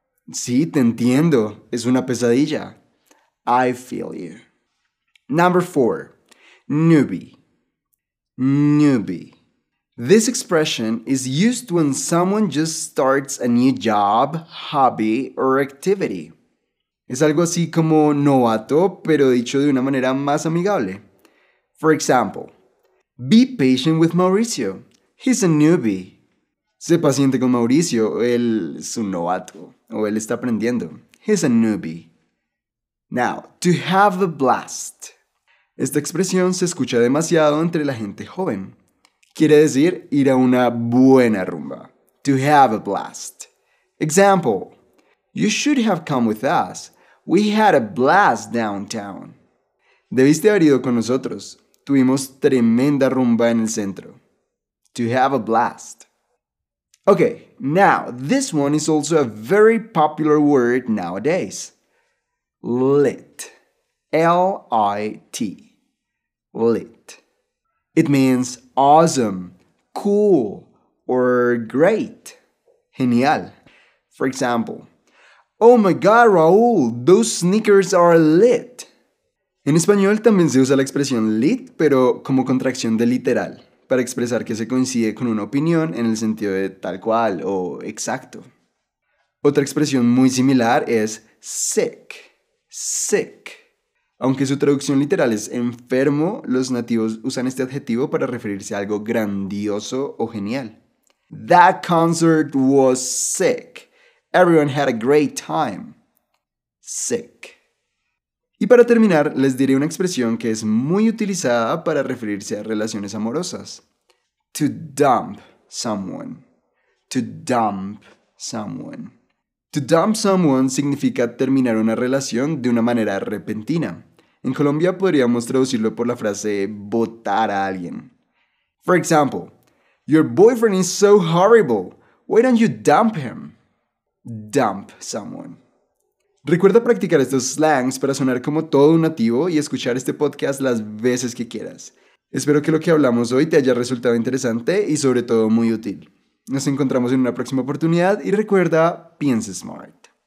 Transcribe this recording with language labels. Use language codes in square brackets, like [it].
[es] Sí, te entiendo. Es una pesadilla. [en] I feel you. Number 4. Newbie. Newbie. This expression is used when someone just starts a new job, hobby, or activity. [es] Es algo así como novato, pero dicho de una manera más amigable. [en] For example, be patient with Mauricio. He's a newbie. [es] Sé paciente con Mauricio. Él es un novato. O él está aprendiendo. [en] He's a newbie. Now, to have a blast. [es] Esta expresión se escucha demasiado entre la gente joven. Quiere decir ir a una buena rumba. [en] To have a blast. Example. You should have come with us. We had a blast downtown. [es] Debiste haber ido con nosotros. Tuvimos tremenda rumba en el centro. [en] To have a blast. Okay, now, this one is also a very popular word nowadays. Lit. L-I-T. Lit. It means awesome, cool, or great. Genial. For example, oh my god, Raúl, those sneakers are lit. [es] En español también se usa la expresión lit, pero como contracción de literal, para expresar que se coincide con una opinión en el sentido de tal cual o exacto. Otra expresión muy similar es sick. Sick. Aunque su traducción literal es enfermo, los nativos usan este adjetivo para referirse a algo grandioso o genial. [en] That concert was sick. Everyone had a great time. sick. [es] Y para terminar, les diré una expresión que es muy utilizada para referirse a relaciones amorosas. [en] To dump someone. To dump someone. To dump someone [es] significa terminar una relación de una manera repentina. En Colombia podríamos traducirlo por la frase botar a alguien. [en] For example, your boyfriend is so horrible. Why don't you dump him? Dump someone. [es] Recuerda practicar estos slangs para sonar como todo un nativo y escuchar este podcast las veces que quieras. Espero que lo que hablamos hoy te haya resultado interesante y sobre todo muy útil. Nos encontramos en una próxima oportunidad y recuerda, piensa smart.